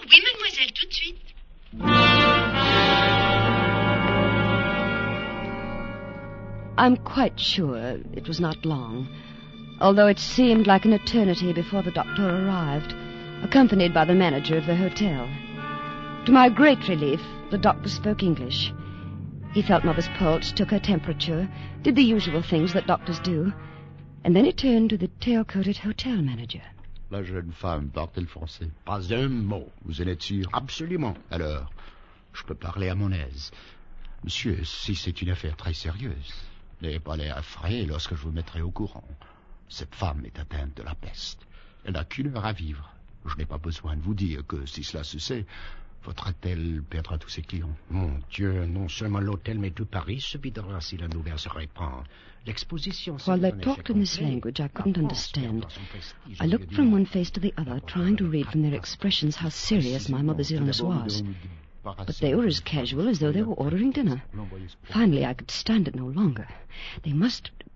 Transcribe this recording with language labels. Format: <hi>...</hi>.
<fr>Oui, mademoiselle, tout de suite.</fr> <en>I'm quite sure it was not long, although it seemed like an eternity before the doctor arrived, accompanied by the manager of the hotel. To my great relief, the doctor spoke English. He felt Mother's pulse, took her temperature, did the usual things that doctors do, and then he turned to the tail-coated hotel manager.</en> <fr>La jeune femme parle-t-elle français? Pas un mot. Vous en êtes sûr? Absolument. Alors, je peux parler à mon aise. Monsieur, si c'est une affaire très sérieuse... N'ayez pas l'air effrayé lorsque je vous mettrai au courant. Cette femme est atteinte de la peste. Elle n'a qu'une heure à vivre. Je n'ai pas besoin de vous dire que, si cela se sait, votre hôtel perdra tous ses clients. Mon Dieu, non seulement l'hôtel, mais tout Paris se videra si la nouvelle se répand. L'exposition...</fr> <en>While they talked in this language, I couldn't understand. I looked from one face to the other, trying to read from their expressions how serious my mother's illness was. But they were as casual as though they were ordering dinner. Finally, I could stand it no longer. They must...</en>